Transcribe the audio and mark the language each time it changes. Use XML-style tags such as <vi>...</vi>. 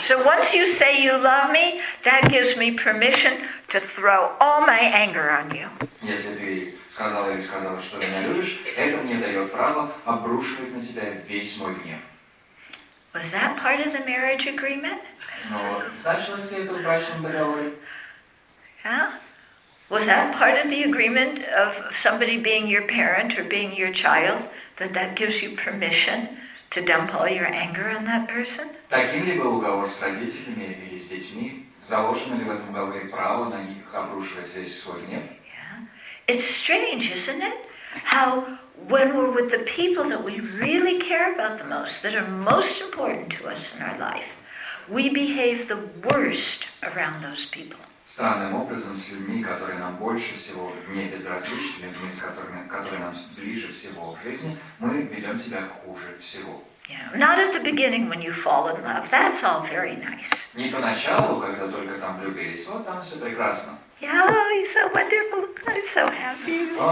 <en>So once you say you love me, that gives me permission to throw all my anger on you.</en> <ru>Если ты сказала или сказала, что меня любишь, это мне дает право обрушивать на тебя весь мой гнев.</ru> <en>Was that part of the marriage agreement?</en> <ru>Но значилось ли это в брачном договоре?</ru> <en>Yeah. Was that part of the agreement of somebody being your parent or being your child, that gives you permission to dump all your anger on that person?</en> <ru>Таким ли был уговор с родителями или с детьми? Заложено ли в этом уговоре право на них обрушивать весь свой гнев?</ru> <en>It's strange, isn't it? How when we're with the people that we really care about the most, that are most important to us in our life, we behave the worst around those people.</en> <ru>Странным образом, с людьми, которые нам больше всего не безразличны, людьми, с которыми, которые нам ближе всего в жизни, мы ведем себя хуже всего.</ru> <en>Yeah. Not at the beginning when you fall in love. That's all very nice.</en> <ru>Не поначалу, когда только там влюбились. Вот там все прекрасно.</ru> <en>Yeah, oh, he's so wonderful. I'm so happy.</en>